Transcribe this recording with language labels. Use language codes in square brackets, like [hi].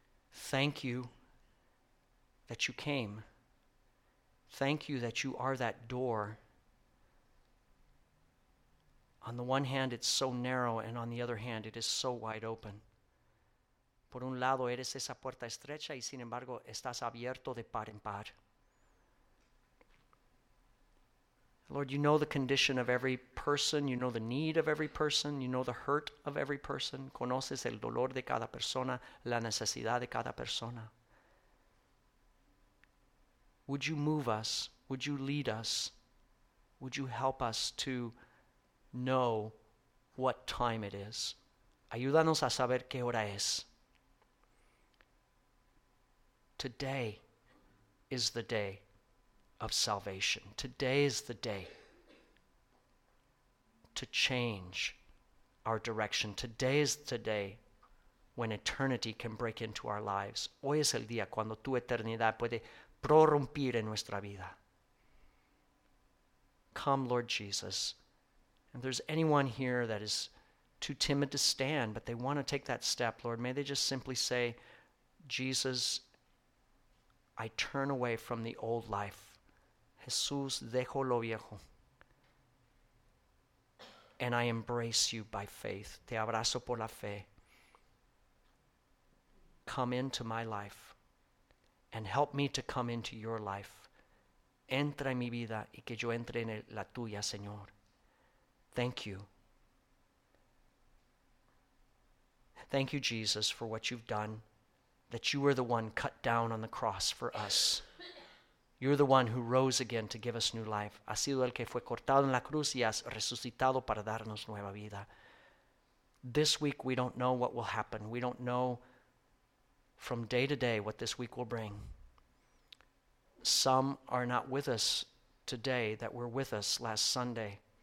[en] Thank you that you came. Thank you that you are that door. On the one hand, it's so narrow, and on the other hand, it is so wide open. [es] Por un lado, eres esa puerta estrecha, y sin embargo, estás abierto de par en par. [en] Lord, you know the condition of every person. You know the need of every person. You know the hurt of every person. [es] Conoces el dolor de cada persona, la necesidad de cada persona. [en] Would you move us? Would you lead us? Would you help us to know what time it is. [es] Ayúdanos a saber qué hora es. [en] Today is the day of salvation. Today is the day to change our direction. Today is the day when eternity can break into our lives. [es] Hoy es el día cuando tu eternidad puede prorrumpir en nuestra vida. [en] Come, Lord Jesus. If there's anyone here that is too timid to stand, but they want to take that step, Lord, may they just simply say, Jesus, I turn away from the old life. [es] Jesús, dejo lo viejo. [en] And I embrace you by faith. [es] Te abrazo por la fe. [en] Come into my life and help me to come into your life. [es] Entra en mi vida y que yo entre en la tuya, Señor. [en] Thank you. Thank you, Jesus, for what you've done, that you were the one cut down on the cross for us. You're the one who rose again to give us new life. [es] Ha sido el que fue cortado en la cruz y has resucitado para darnos nueva vida. [en] This week, we don't know what will happen. We don't know from day to day what this week will bring. Some are not with us today that were with us last Sunday.